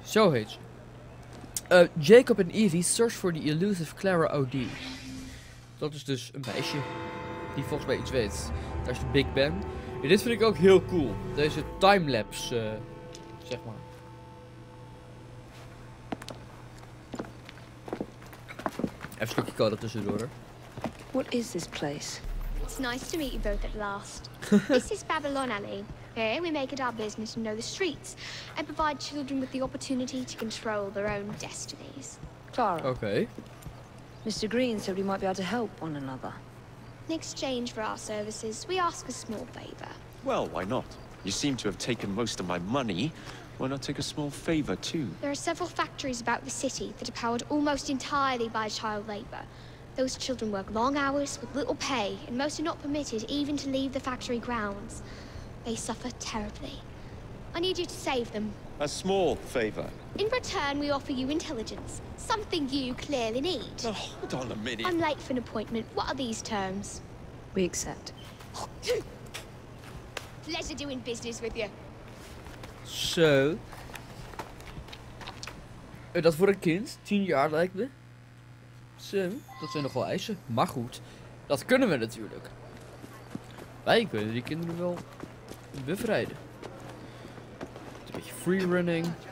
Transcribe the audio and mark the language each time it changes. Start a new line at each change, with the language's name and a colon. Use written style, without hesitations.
Dutch: Zo heet ze. Jacob en Evie
English: search for the elusive
Dutch: Clara O.D. Dat is dus een meisje. Die volgens mij iets weet. Daar is de Big Ben. En dit vind ik ook heel cool. Deze timelapse, zeg maar. Even een stukje code tussendoor.
English: What is this place? It's nice to meet you both at last. This is Babylon Alley. Here we make it our business to know the streets and provide children with the opportunity to control their own destinies. Clara. Okay. Mr. Green said we might be able to help one another. In exchange for our services, we ask a small favor. Well, why not? You seem to have taken most of my money. Why not take a small favor, too? There are several factories about the city that are powered almost entirely by child labor. Those children work long hours with little pay, and most are not permitted even to leave the factory grounds. They suffer terribly. I need you to save them. A small favor. In return, we offer you intelligence, something you clearly need. Oh, hold on a minute. I'm late for an appointment. What are these terms? We accept. Pleasure doing business with you.
Dutch: Zo. Dat voor een kind, 10 jaar lijkt me. Zo, dat zijn nogal eisen. Maar goed, dat kunnen we natuurlijk. Wij kunnen die kinderen wel bevrijden. Een beetje free running.